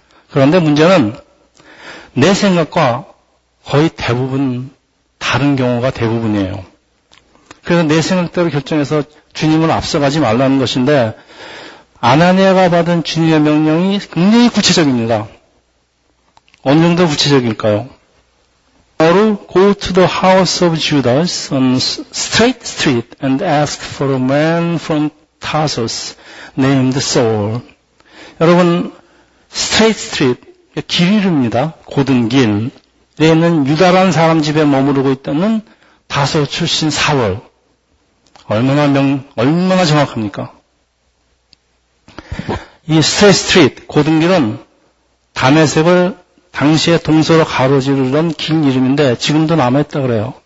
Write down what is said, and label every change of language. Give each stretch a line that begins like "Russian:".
Korean: 그런데 문제는 내 생각과 거의 대부분 다른 경우가 대부분이에요. 그래서 내 생각대로 결정해서 주님을 앞서가지 말라는 것인데, 아나니아가 받은 주님의 명령이 굉장히 구체적입니다. 어느 정도 구체적일까요?
English: 바로 go to the house of Judas on straight street and ask for a man from Tarsus named Saul.
Korean: 여러분, straight street, 길 이름입니다. 곧은 길에 있는 유다라는 사람 집에 머무르고 있다는 다소 출신 사울. 얼마나 정확합니까? 이 스트레이트 스트리트, 고든 길은 다메섹을 당시에 동서로 가로지르던 길 이름인데 지금도 남아있다 그래요.